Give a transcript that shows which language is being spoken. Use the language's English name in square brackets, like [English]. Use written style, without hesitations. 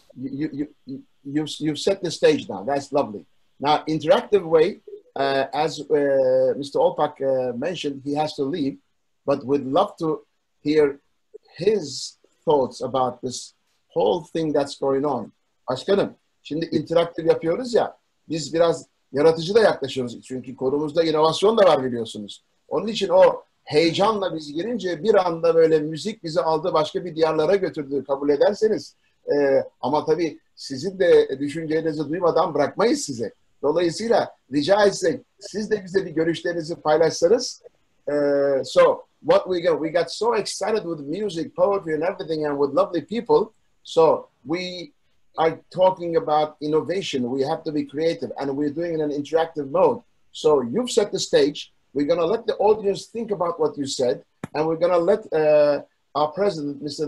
[English] You've set the stage now. That's lovely. Now, interactive way, as Mr. Olpak mentioned, he has to leave, but we'd love to hear his thoughts about this whole thing that's going on. [Turkish] Başkanım, şimdi interaktif yapıyoruz ya, biz biraz yaratıcı da yaklaşıyoruz. Çünkü konumuzda inovasyon da var biliyorsunuz. Onun için o heyecanla biz girince bir anda böyle müzik bizi aldı, başka bir diyarlara götürdü, kabul ederseniz. Ama tabii sizin de düşüncelerinizi duymadan bırakmayız size. Dolayısıyla rica etsek siz de bize bir görüşlerinizi paylaşsanız. [English] So what we got so excited with music, poetry and everything and with lovely people. So we are talking about innovation. We have to be creative and we're doing it in an interactive mode. So you've set the stage. We're going to let the audience think about what you said, and we're going to let our president, Mr.